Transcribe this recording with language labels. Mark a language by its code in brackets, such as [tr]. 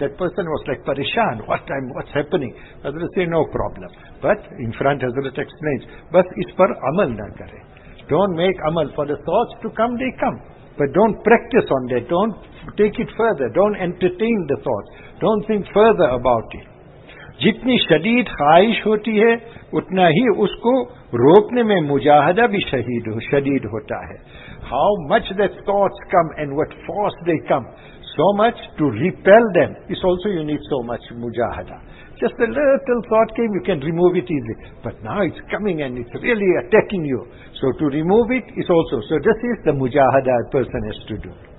[en] That person was like, parishan, what's happening? Hazrat say, no problem. But, in front, Hazrat explains, [ur] bas is par amal na kare. [en] Don't make amal. For the thoughts to come, they come. But don't practice on that. Don't take it further. Don't entertain the thoughts. Don't think further about it. [ur] جتنی شدید خواہش ہوتی ہے اتنا ہی اس کو روکنے میں مجاہدہ بھی شدید ہوتا ہے. [en] How much the thoughts come and what force they come, so much to repel them is also you need so much mujahada. Just a little thought came, you can remove it easily, but now it's coming and it's really attacking you, so to remove it is also, so this is the mujahada a person has to do.